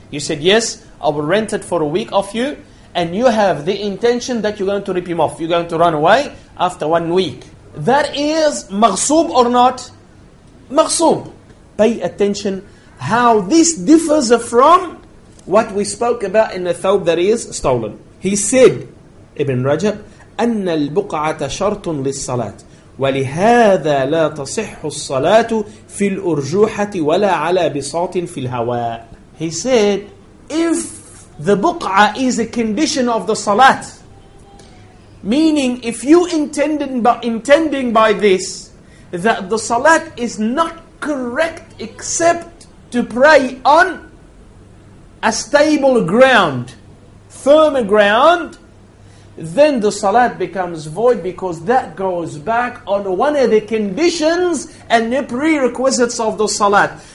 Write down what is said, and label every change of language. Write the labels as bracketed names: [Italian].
[English] You said, yes, I will rent it for a week off you. And you have the intention that you're going to rip him off. You're going to run away after 1 week. That is maghsub or not? Maghsub. Pay attention how this differs from what we spoke about in the thawb that is stolen. He said, [Arabic] Ibn Rajab, أَنَّ الْبُقْعَةَ شَرْطٌ لِلصَّلَاةِ ولهذا لا تصح الصلاة في الأرجوحة ولا على بساط في الهواء. [English] He said, if the buq'a is a condition of the salat, meaning if you intending by this that the salat is not correct except to pray on a stable ground, firm ground, then the salat becomes void, because that goes back on one of the conditions and the prerequisites of the salat.